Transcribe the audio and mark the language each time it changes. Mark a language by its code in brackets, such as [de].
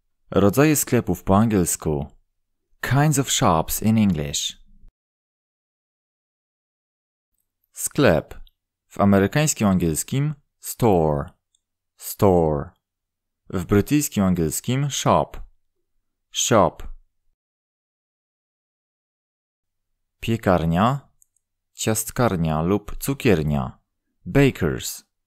[pl] Rodzaje sklepów po angielsku. [en] Kinds of shops in English. [pl] Sklep. W amerykańskim angielskim [en] store. Store. [pl] W brytyjskim angielskim [en] shop. Shop. [pl] Piekarnia. Ciastkarnia lub cukiernia. [en] Bakers.